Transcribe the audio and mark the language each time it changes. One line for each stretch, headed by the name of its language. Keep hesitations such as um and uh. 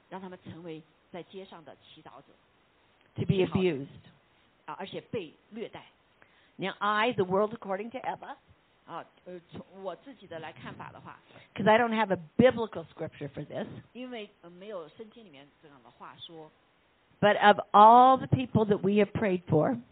Chinese: 让他们成为在街上的祈祷者。
English: To be abused，
Chinese: 啊，而且被虐待。
English: Now I the world according to Eva，
Chinese: 啊，呃，从我自己的来看法的话
English: ，Because I don't have a biblical scripture for this，
Chinese: 因为、呃、没有圣经里面这样的话说。
English: But of all the people that we have prayed for，